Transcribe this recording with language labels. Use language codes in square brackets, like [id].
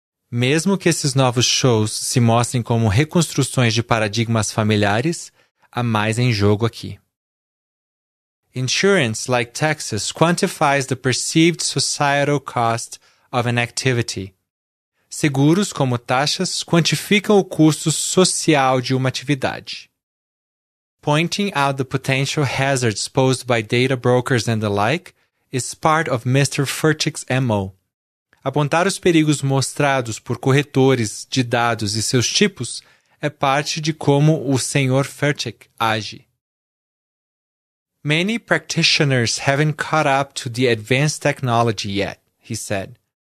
[pt] Mesmo que esses novos shows se mostrem como reconstruções de paradigmas familiares, há mais em jogo aqui. [en] Insurance, like taxes, quantifies the perceived societal cost of an activity. [pt] Seguros, como taxas, quantificam o custo social de uma atividade. [en] Pointing out the potential hazards posed by data brokers and the like is part of Mr. Furtick's MO. [pt] Apontar os perigos mostrados por corretores de dados e seus tipos é parte de como o Sr. Furtick age. [en] Many practitioners haven't caught up to the advanced technology yet, he said.